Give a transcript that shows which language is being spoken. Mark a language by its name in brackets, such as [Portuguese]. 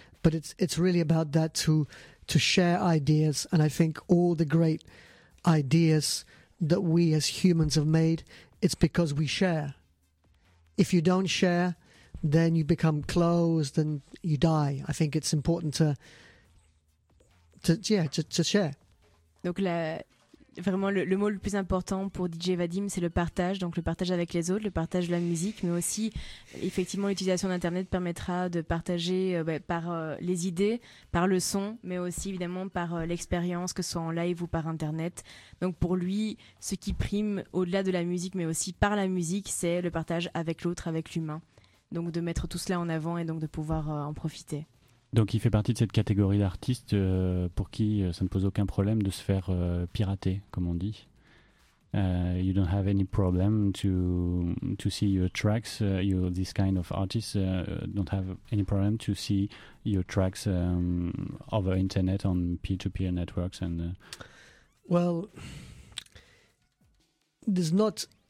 [English] But it's really about that, to share ideas. And I think all the great ideas that we as humans have made, it's because we share. If you don't share, then you become closed and you die. I think it's important to share. [French] Donc là, vraiment le mot le plus important pour DJ Vadim, c'est le partage. Donc le partage avec les autres, le partage de la musique, mais aussi effectivement l'utilisation d'Internet permettra de partager par les idées, par le son, mais aussi évidemment par l'expérience, que ce soit en live ou par Internet. Donc pour lui, ce qui prime au-delà de la musique, mais aussi par la musique, c'est le partage avec l'autre, avec l'humain. Donc de mettre tout cela en avant et donc de pouvoir en profiter. Donc il fait partie de cette catégorie d'artistes pour qui ça ne pose aucun problème de se faire pirater, comme on dit. [English] You don't have any problem to see your tracks. You're this kind of artist. Don't have any problem to see your tracks over internet on peer-to-peer networks. And well, there's not.